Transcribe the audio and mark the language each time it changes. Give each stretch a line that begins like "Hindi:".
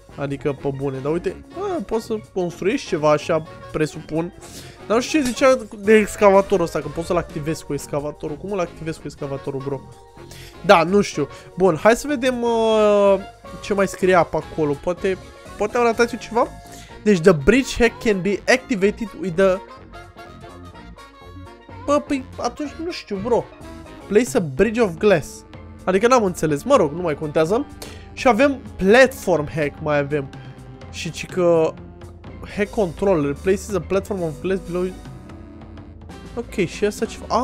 Romanian: Adică, pe bune, dar uite, poți să construiești ceva așa, presupun. Dar nu știu ce zicea de excavatorul ăsta, că poți să-l activezi cu excavatorul. Cum îl activezi cu excavatorul, bro? Da, nu știu. Bun, hai să vedem ce mai scrie apa acolo. Poate am ratat eu ceva?
English: Deci, the bridge hack can be activated with the...
Romanian: Bă, păi, atunci nu știu, bro.
English: Place a bridge of glass.
Romanian: Adică n-am înțeles, mă rog, nu mai contează. Și avem platform hack, mai avem. Și ci că
English: hack controller places a platform of glass below.
Romanian: Ok, și asta ce...